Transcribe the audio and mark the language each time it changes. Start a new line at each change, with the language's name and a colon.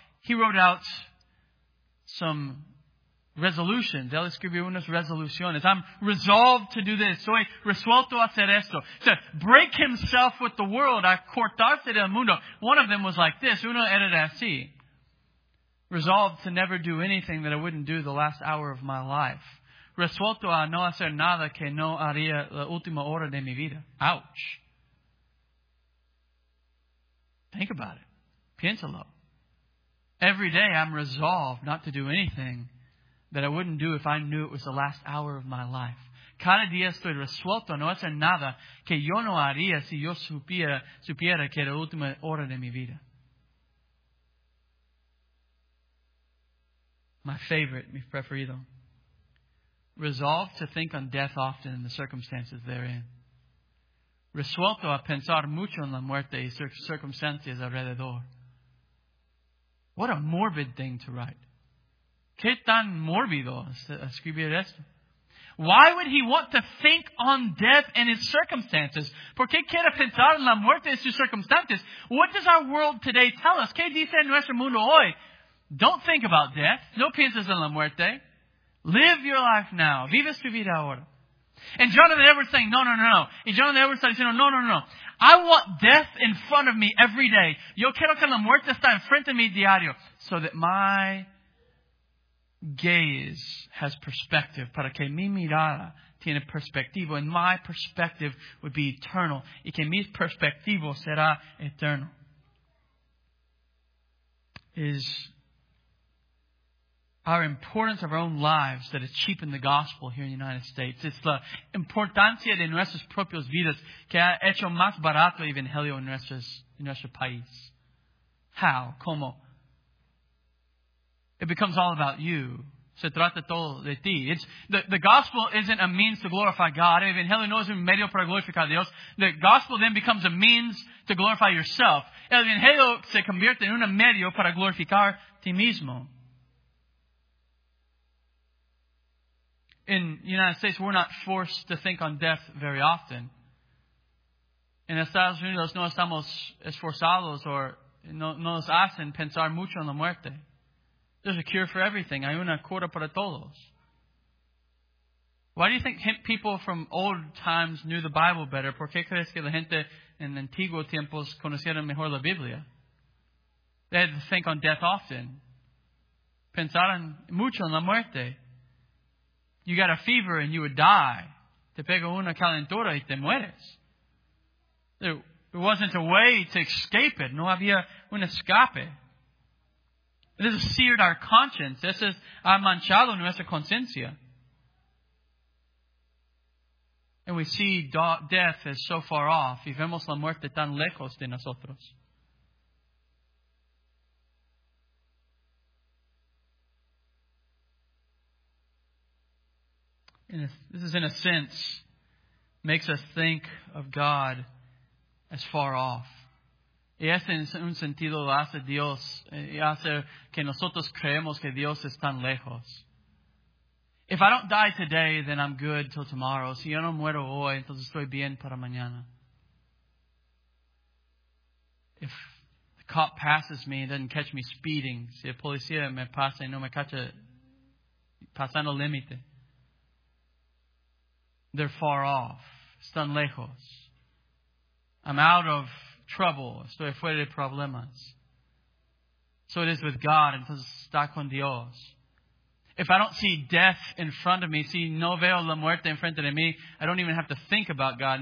English: He wrote out some resolutions.
Spanish: Él escribió unas resoluciones.
English: I'm resolved to do this.
Spanish: Soy resuelto a hacer esto.
English: To break himself with the world.
Spanish: A cortarse del mundo.
English: One of them was like this.
Spanish: Uno era así.
English: Resolved to never do anything that I wouldn't do the last hour of my life.
Spanish: Resuelto a no hacer nada que no haría la última hora de mi vida.
English: Ouch. Think about it.
Spanish: Piénsalo.
English: Every day I'm resolved not to do anything that I wouldn't do if I knew it was the last hour of my life.
Spanish: Cada día estoy resuelto a no hacer nada que yo no haría si yo supiera que era la última hora de mi vida.
English: My favorite,
Spanish: mi preferido.
English: Resolve to think on death often in the circumstances therein.
Spanish: Resuelto a pensar mucho en la muerte y circunstancias alrededor.
English: What a morbid thing to write.
Spanish: ¿Qué tan mórbido escribir esto?
English: Why would he want to think on death and his circumstances?
Spanish: ¿Por qué quiere pensar en la muerte y sus circunstancias?
English: What does our world today tell us?
Spanish: ¿Qué dice nuestro mundo hoy?
English: Don't think about death.
Spanish: No pienses en la muerte.
English: Live your life now.
Spanish: Vive su vida ahora.
English: And Jonathan Edwards saying, no, no, no, no. And Jonathan Edwards saying, no, no, no, no. I want death in front of me every day.
Spanish: Yo quiero que la muerte está en frente de mí diario.
English: So that my gaze has perspective.
Spanish: Para que mi mirada tiene perspectiva.
English: And my perspective would be eternal.
Spanish: Y que mi perspectivo será eterno.
English: Is our importance of our own lives that is cheap in the gospel here in the United States. It's
Spanish: la importancia de nuestras propias vidas que ha hecho más barato el evangelio en nuestro país.
English: How?
Spanish: Como?
English: It becomes all about you.
Spanish: Se trata todo de ti.
English: The gospel isn't a means to glorify God.
Spanish: El evangelio no es un medio para glorificar a Dios.
English: The gospel then becomes a means to glorify yourself.
Spanish: El evangelio se convierte en un medio para glorificar ti mismo.
English: In the United States, we're not forced to think on death very often.
Spanish: En Estados Unidos, no estamos esforzados or no nos hacen pensar mucho en la muerte.
English: There's a cure for everything.
Spanish: Hay una cura para todos.
English: Why do you think people from old times knew the Bible better?
Spanish: ¿Por qué crees que la gente en antiguos tiempos conocieron mejor la Biblia?
English: They had to think on death often.
Spanish: Pensaron mucho en la muerte.
English: You got a fever and you would die.
Spanish: Te pega una calentura y te mueres.
English: There wasn't a way to escape it.
Spanish: No había un escape.
English: This has
Spanish: seared our conscience. This has manchado nuestra conciencia.
English: And we see death as so far off.
Spanish: Y vemos la muerte tan lejos de nosotros.
English: And this is, in a sense, makes us think of God as far off.
Spanish: Y este en un sentido lo hace Dios, y hace que nosotros creemos que Dios es tan lejos.
English: If I don't die today, then I'm good till tomorrow.
Spanish: Si yo no muero hoy, entonces estoy bien para mañana.
English: If the cop passes me and doesn't catch me speeding,
Spanish: si el policía me pasa y no me cacha pasando límite,
English: they're far off.
Spanish: Están lejos.
English: I'm out of trouble.
Spanish: Estoy fuera de problemas.
English: So it is with God.
Spanish: Entonces, está con Dios.
English: If I don't see death in front of me,
Spanish: si no veo la muerte en frente de mí,
English: I don't even have to think about God.